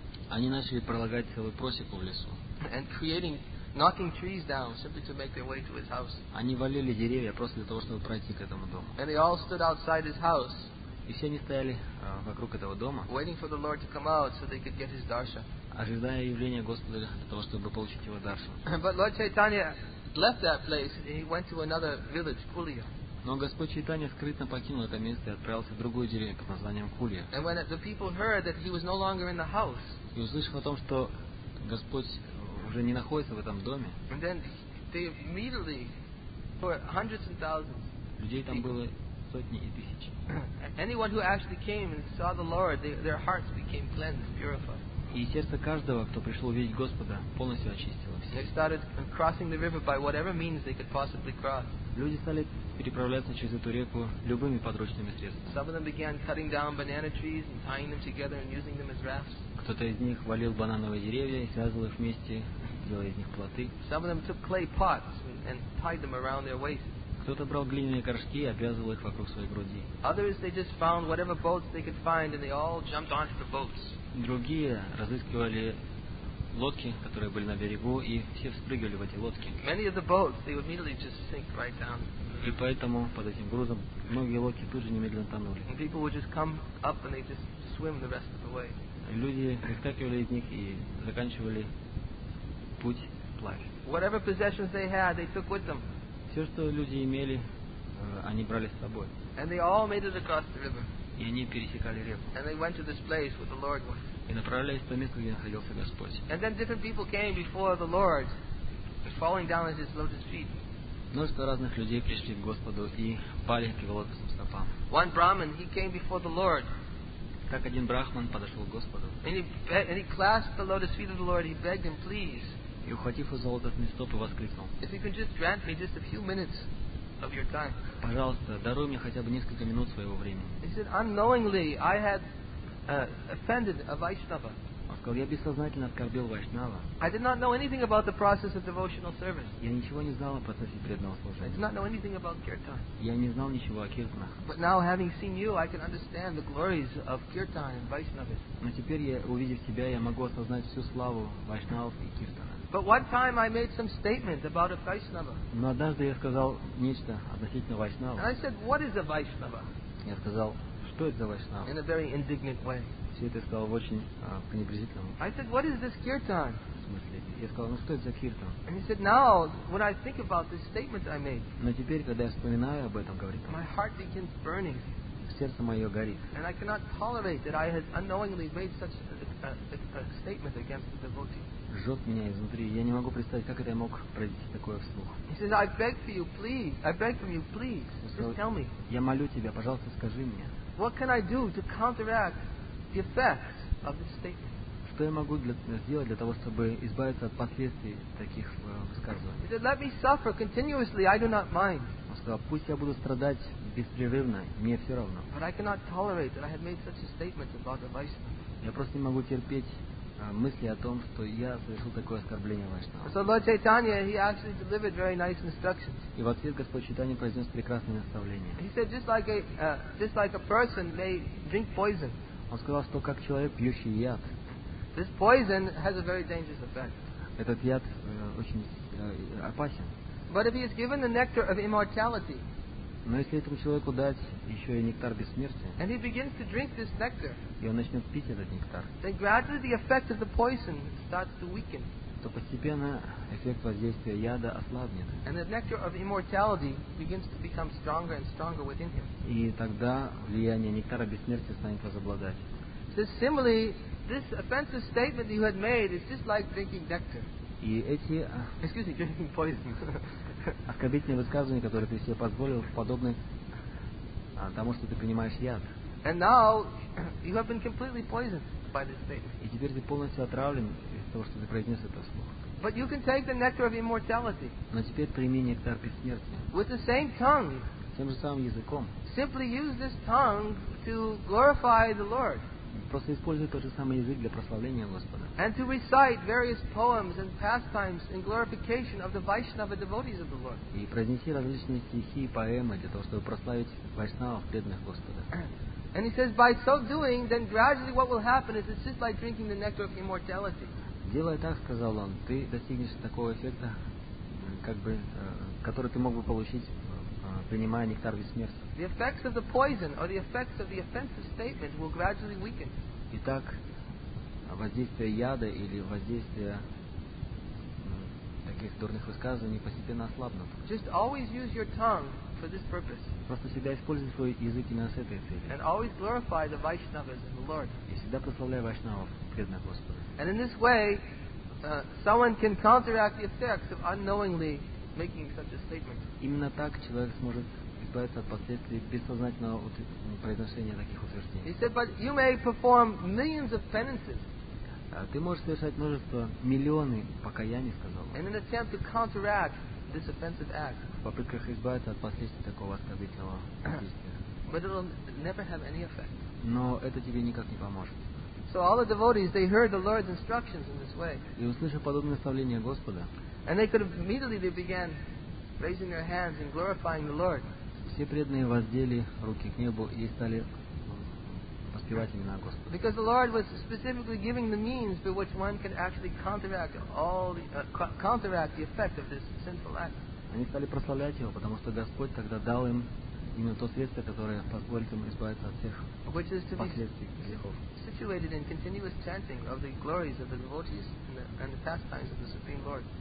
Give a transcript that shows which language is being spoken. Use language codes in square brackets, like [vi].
[ru] Они начали пролагать целую просеку в лесу. [en] And creating, knocking trees down simply to make their way to his house. [ru] Они валили деревья просто для того, чтобы пройти к этому дому. [en] And they all stood outside his house. [ru] И все они стояли вокруг этого дома. [en] Waiting for the Lord to come out so they could get his darsha. [ru] Ожидая явления Господа для того, чтобы получить его даршу. [en] But Lord Chaitanya left that place and he went to another village, Kulia. [ru] Но Господь Чайтанья скрытно покинул это место и отправился в другую деревню под названием Кулья. [en] And when the people heard that he was no longer in the house, [ru] и услышав о том, что Господь уже не находится в этом доме, [en] and then they immediately, for hundreds and thousands, [ru] людей там было сотни и тысячи. [en] Anyone who actually came and saw the Lord, their hearts became cleansed, purified. [ru] И сердце каждого, кто пришел увидеть Господа, полностью очистилось. [en] They started crossing the river by whatever means they could possibly cross. [ru] Люди стали переправляться через эту реку любыми подручными средствами. [en] Some of them began cutting down banana trees and tying them together and using them as rafts. [ru] Кто-то из них валил банановые деревья и связывал их вместе, делая из них плоты. [en] Some of them took clay pots and tied them around their waist. [ru] Кто-то брал глиняные горшки и обвязывал их вокруг своей груди. [en] Others they just found whatever boats they could find and they all jumped onto the boats. [ru] Другие разыскивали лодки, которые были на берегу, и все спрыгивали в эти лодки. [en] Many of the boats they would immediately just sink right down. [ru] И поэтому под этим грузом многие лодки тут же немедленно тонули. [en] People would just come up and they just swim the rest of the way. [ru] Люди выскакивали из них и заканчивали путь плавь. [en] Whatever possessions they had, they took with them. [ru] Все, что люди имели, они брали с собой. [en] And they all made it across the river. [ru] И они пересекали реку. [en] And they went to this place where the Lord was. [ru] И направлялись в то место, где находился Господь. [en] And then different people came before the Lord, falling down at his lotus feet. [ru] Множество разных людей пришли к Господу и пали к его лотосным стопам. [en] One Brahmin, he came before the Lord. [ru] Так один брахман подошел к Господу. [en] And he clasped the lotus feet of the Lord. He begged him, please. [ru] И ухватив его за лотосные стопы, воскликнул. [en] If you could just grant me just a few minutes of your time. [ru] Пожалуйста, даруй мне хотя бы несколько минут своего времени. [en] He said, unknowingly, I had offended a Vaishnava. [ru] Я бессознательно оскорбил Вайшнава. [en] I did not know anything about the process of devotional service. [ru] Я ничего не знал о процессе преданного служения. [en] I did not know anything about kirtan. [ru] Я не знал ничего о киртанах. [en] But now, having seen you, I can understand the glories of kirtan and Vaishnavism. [ru] Но теперь я, увидев тебя, я могу осознать всю славу Вайшнавов и киртана. [en] But one time I made some statement about a Vaishnava. [ru] Но однажды я сказал нечто относительно Вайшнава. [en] And I said, what is a Vaishnava? [ru] Я сказал, что это за Вайшнава? [en] In a very indignant way. [ru] Это сказал в очень пренебрежительном. [en] I said, what is this kirtan? [ru] Я сказал, ну что это за kirtan? [en] And he said, now when I think about this statement I made. [ru] Но теперь, когда я вспоминаю об этом, говорит. [en] My heart begins burning. [ru] Сердце мое горит. [en] And I cannot tolerate that I had unknowingly made such a statement against the devotee. [ru] Жжет меня изнутри. Я не могу представить, как это я мог произнести такое вслух. [en] He says, I beg for you, please. I beg from you, please. Just tell me. [ru] Я молю тебя, пожалуйста, скажи мне. [en] What can I do to counteract the effects of this statement? [ru] Что я могу сделать для того, чтобы избавиться от последствий таких высказываний? [en] He said, let me suffer continuously, I do not mind. [ru] Он сказал, пусть я буду страдать беспрерывно, мне все равно. [en] But I cannot tolerate that I had made such a statement about the Vaishnava. [ru] Я просто не могу терпеть мысли о том, что я совершил такое оскорбление Вайшнава. [en] So Lord Chaitanya, he actually delivered very nice instructions. [ru] И в ответ Господь Чайтанья произнес прекрасное наставление. [en] He said, just like a person may drink poison. [ru] Он сказал, что как человек, пьющий яд. [en] This poison has a very dangerous effect. [ru] Этот яд очень опасен. [en] But if he is given the nectar of immortality, [ru] Но если этому человеку дать еще и нектар бессмертия, [en] and he begins to drink this nectar, [ru] и он начнет пить этот нектар, [en] then gradually the effect of the poison starts to weaken. [ru] То постепенно эффект воздействия яда ослабнет. [en] And the nectar of immortality begins to become stronger and stronger within him. [ru] И тогда влияние нектара бессмертия станет возобладать. [en] So similarly, this offensive statement you had made is just like drinking nectar. [ru] И эти, [en] excuse me, drinking poison. [ru] Оскорбительные высказывания, которые ты себе позволил, подобны тому, что ты принимаешь яд. [en] And now you have been completely poisoned by this statement. [ru] И теперь ты полностью отравлен из-за того, что ты произнес это слово. [en] But you can take the nectar of immortality. [ru] Но теперь прими нектар бессмертия. [en] With the same tongue. [ru] Тем же самым языком. [en] Simply use this tongue to glorify the Lord. [ru] Просто используй тот же самый язык для прославления Господа. [en] And to recite various poems and pastimes in glorification of the Vaishnava devotees of the Lord. [ru] И произнеси различные стихи и поэмы для того, чтобы прославить вайшнавов, преданных Господа. [en] And he says, by so doing, then gradually what will happen is it's just like drinking the nectar of immortality. [ru] Делая так, сказал он, ты достигнешь такого эффекта, как бы, который ты мог бы получить, принимая нектар бессмертия. [en] The effects of the poison or the effects of the offensive statement will gradually weaken. [ru] Итак, воздействие яда или воздействие таких дурных высказываний постепенно ослабнут. [en] Just always use your tongue for this purpose. [ru] Просто всегда используй свой язык именно с этой целью. [en] And always glorify the Vaishnavas and the Lord. [ru] И всегда прославляй вайшнавов, преданных Господа. [en] And in this way, someone can counteract the effects of unknowingly making such a statement. [ru] Именно так человек сможет избавиться от последствий бессознательного произношения таких утверждений. [en] He said, but you may perform millions of penances. [ru] Ты можешь совершать множество, миллионы покаяний, сказал он. [en] In an attempt to counteract this offensive act. [ru] В попытках избавиться от последствий такого оскорбительного действия. [en] But it'll never have any effect. [ru] Но это тебе никак не поможет. [en] So all the devotees, they heard the Lord's instructions in this way. [ru] И услышав подобное наставление Господа. [en] And they could immediately they began raising their hands and glorifying the Lord. [ru] Все преданные воздели руки к небу и стали воспевать имена Господа. [en] Because the Lord was specifically giving the means by which one can actually counteract all the, counteract the effect of this sinful act. [ru] Они стали прославлять его, потому что Господь тогда дал им именно то средство, которое позволит им избавиться от всех последствий грехов. [en] Situated in continuous chanting of the glories of the devotees and the pastimes of the Supreme Lord.